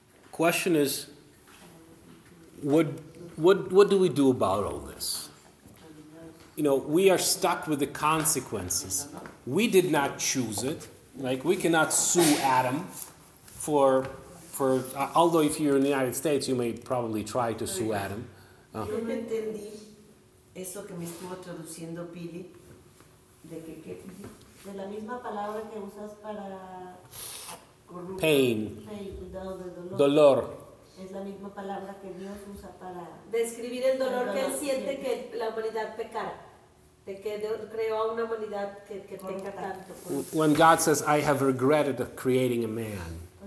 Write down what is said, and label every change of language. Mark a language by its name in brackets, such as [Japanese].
[English] Question is, what do we do about all this? You know, we are stuck with the consequences. We did not choose it. Like, we cannot sue Adam for although if you're in the United States, you may probably try to sue Adam. [Spanish] Yo no entendí eso que me estuvo traduciendo Pili. De la misma palabra que usas para corrupto, [English] pain, [Spanish] cuidado del dolor. Dolor. Es la misma palabra que Dios usa para describir el dolor que él siente que la humanidad pecara. De que Dios creó a una humanidad que peca tanto. [English] When God says, I have regretted creating a man.